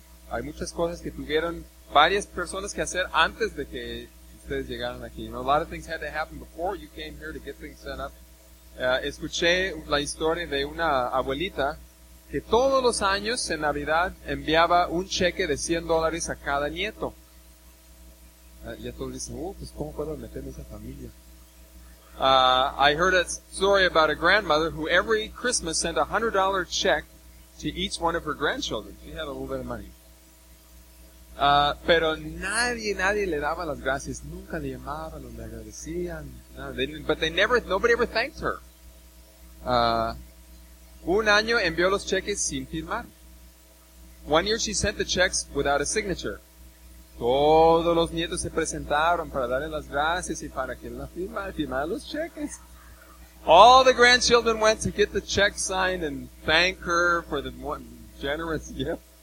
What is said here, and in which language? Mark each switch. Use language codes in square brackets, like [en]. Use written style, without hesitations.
[es] Hay muchas cosas que tuvieron varias personas que hacer antes de que ustedes llegaran aquí. [en] You know, a lot of things had to happen before you came here to get things set up. [es] Escuché la historia de una abuelita que todos los años en Navidad enviaba un cheque de $100 a cada nieto. Y a todos dicen, pues ¿cómo puedo meterme a esa familia? [en] I heard a story about a grandmother who every Christmas sent a $100 check to each one of her grandchildren. She had a little bit of money. [es] Pero nadie le daba las gracias. Nunca le llamaban, le agradecían. [en] No, they didn't, but they never, nobody ever thanked her. [es] Un año envió los cheques sin firmar. [en] One year she sent the checks without a signature. [es] Todos los nietos se presentaron para darle las gracias y para que la firmara los cheques. [en] All the grandchildren went to get the check signed and thank her for the generous gift.